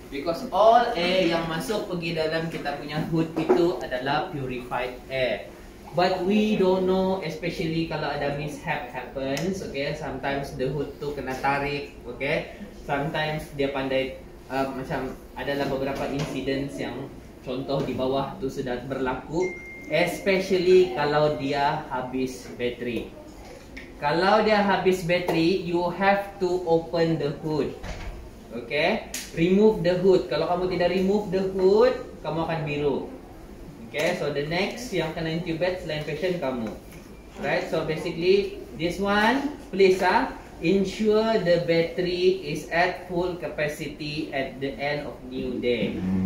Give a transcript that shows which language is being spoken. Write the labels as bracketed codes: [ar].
[en] Because all air [ms] yang masuk pergi dalam kita punya hood itu adalah [en] purified air. But we don't know, especially [ms] kalau ada [en] mishap happens, okay? Sometimes the hood [ms] tu kena tarik, [en] okay? [ms] Sometimes dia pandai, macam adalah beberapa incidents yang contoh di bawah tu sudah berlaku. [en] Especially [ms] kalau dia habis bateri. Kalau dia habis bateri, [en] you have to open the hood. Okay? Remove the hood. [ms] Kalau kamu tidak [en] remove the hood, [ms] kamu akan biru. [en] Okay? So the next [ms] yang kena [en] intubate [ms] selain [en] patient [ms] kamu. [en] Right? So basically, this one, please ah, ensure the battery is at full capacity at the end of new day.